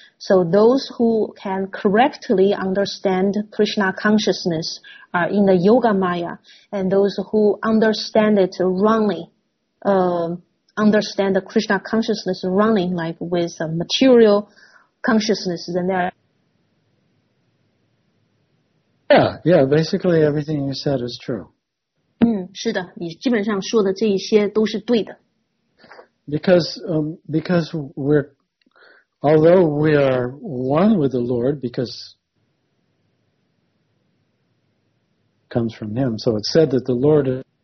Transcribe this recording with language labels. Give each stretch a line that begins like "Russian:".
English: So those who can correctly understand Krishna consciousness are in the Yoga Maya, and those who understand it wrongly, understand the Krishna consciousness running like with a material consciousness, then there are... Yeah, basically everything you said is true.
Chinese: 是的，你基本上说的这一些都是对的。
English: Because we're, although we are one with the Lord, because it comes from Him, so it's said that the Lord is...